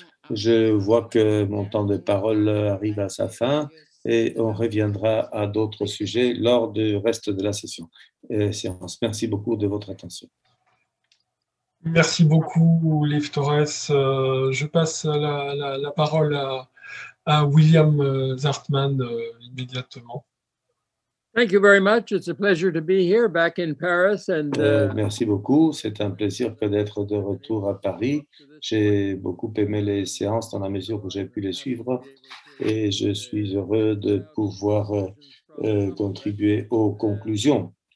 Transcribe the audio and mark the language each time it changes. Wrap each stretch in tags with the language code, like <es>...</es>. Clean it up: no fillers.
<fr>Je vois que mon temps de parole arrive à sa fin et on reviendra à d'autres sujets lors du reste de la session. Séance. Merci beaucoup de votre attention. Merci beaucoup, Liv Torres. Je passe la parole à William Zartman immédiatement.</fr> <en>Thank you very much. It's a pleasure to be here back in Paris.</en> <fr>Merci beaucoup. C'est un plaisir que d'être de retour à Paris. J'ai beaucoup aimé les séances dans la mesure où j'ai pu les suivre et je suis heureux de pouvoir contribuer aux conclusions.</fr>